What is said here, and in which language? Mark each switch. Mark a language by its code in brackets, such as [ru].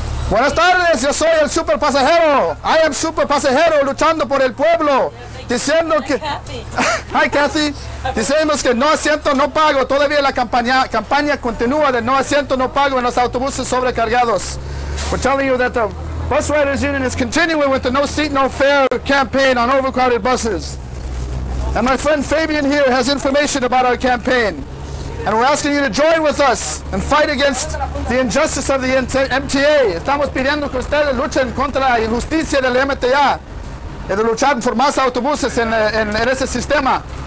[es] Buenas tardes, yo soy el super pasajero. [en] I am [es] super pasajero luchando por el pueblo. Diciendo que... [en] Hi, [es] Kathy. Diciendo que no asiento, no pago. Todavía la campaña continúa de no asiento, no pago en los autobuses sobrecargados. [en] We're telling you that the bus riders union is continuing with the no seat, no fare campaign on overcrowded buses. And my friend Fabian here has information about our campaign. And we're asking you to join with us and fight against the injustice of the MTA. [es] Estamos pidiendo que ustedes luchen contra la injusticia del MTA y de luchar por más autobuses en ese sistema.